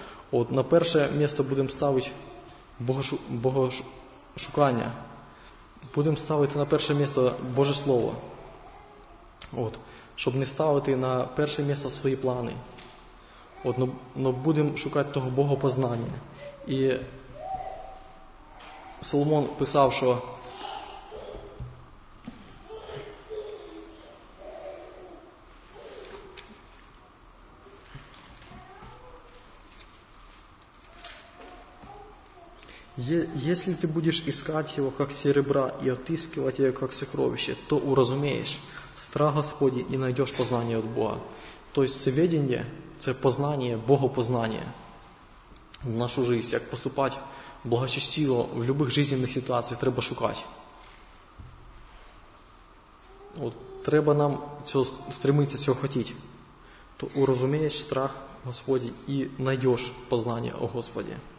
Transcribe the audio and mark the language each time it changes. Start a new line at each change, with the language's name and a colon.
Ukrainian: От, на перше місце будемо ставити Богошукання. Будемо ставити на перше місце Боже Слово. От. Щоб не ставити на перше місце свої плани. От, но будемо шукати того Богопознання. І Соломон писав, що
Russian: «Если ты будешь искать его, как серебра, и отыскивать его, как сокровище, то уразумеешь страх Господень и найдешь познание от Бога».
Ukrainian: То есть, це ведення, це познання, Богопознання в нашу життя, як поступати благочестиво в будь-яких життєвих ситуаціях, треба шукати. От, треба нам цього стремитися, цього хотіти. То уразумеєш страх Господній і знайдеш познання о Господі.